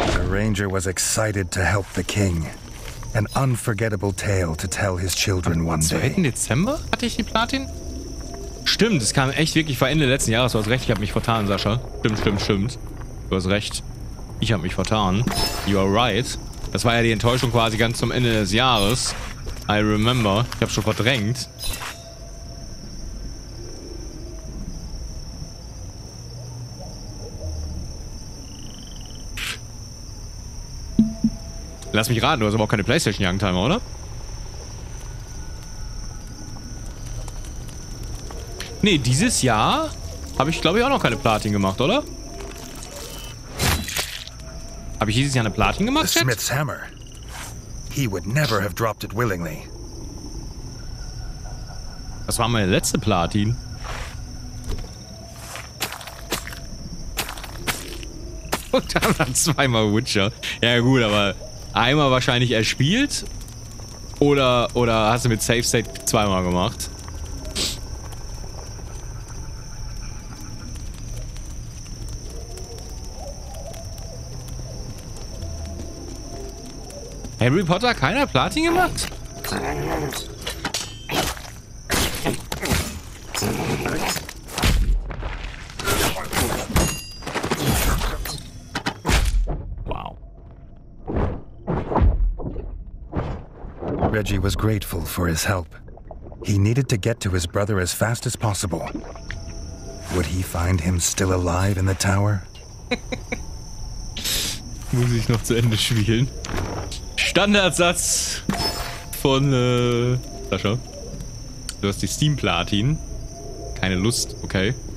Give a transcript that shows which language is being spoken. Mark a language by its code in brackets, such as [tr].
[en] Ranger was excited to help the king. An unforgettable tale to tell his children one day. [de] Am 2. Dezember hatte ich die Platin? Stimmt, es kam echt wirklich vor Ende letzten Jahres. Du hast recht, ich habe mich vertan, Sascha. Stimmt, stimmt, stimmt. Du hast recht, ich habe mich vertan. [en] You are right. [de] Das war ja die Enttäuschung quasi ganz zum Ende des Jahres. [en] I remember. [de] Ich habe schon verdrängt. Lass mich raten, du hast aber auch keine PlayStation Youngtimer, oder? Nee, dieses Jahr habe ich, glaube ich, auch noch keine Platin gemacht, oder? Habe ich dieses Jahr eine Platin gemacht? [en] The Smith's Hammer. He would never have dropped it willingly. [de] Das war meine letzte Platin. Und dann war zweimal Witcher. Ja, gut, aber. Einmal wahrscheinlich erspielt oder hast du mit Safe State zweimal gemacht? Harry Potter, keiner Platin gemacht? [en] Reggie was grateful for his help. He needed to get to his brother as fast as possible. Would he find him still alive in the tower? [de] Muss ich noch zu Ende spielen? Standardsatz von Sascha. Du hast die Steam-Platin. Keine Lust, okay.